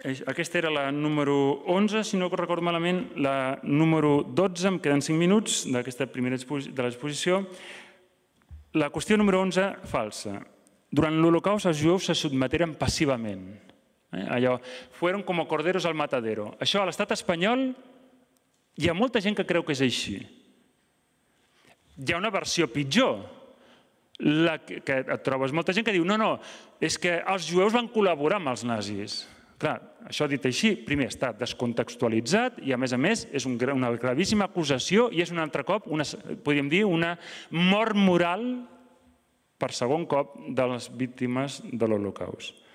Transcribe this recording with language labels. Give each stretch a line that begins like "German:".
Catalan: Aquesta era la número 11, si no recordo malament, la número 12, em queden 5 minuts d'aquesta primera de l'exposició. La qüestió número 11, falsa. Durant l'Holocaust els jueus se sotmeteren passivament.
Spanish: Allò, fueron como corderos al matadero.
Catalan: Això a l'estat espanyol hi ha molta gent que creu que és així. Hi ha una versió pitjor. La que et trobes molta gent que diu, no, és que els jueus van col·laborar amb els nazis. Clar, això dit així, primer està descontextualitzat i a més és una gravíssima acusació i és un altre cop, podríem dir, una mort moral per segon cop de les víctimes de l'Holocaust.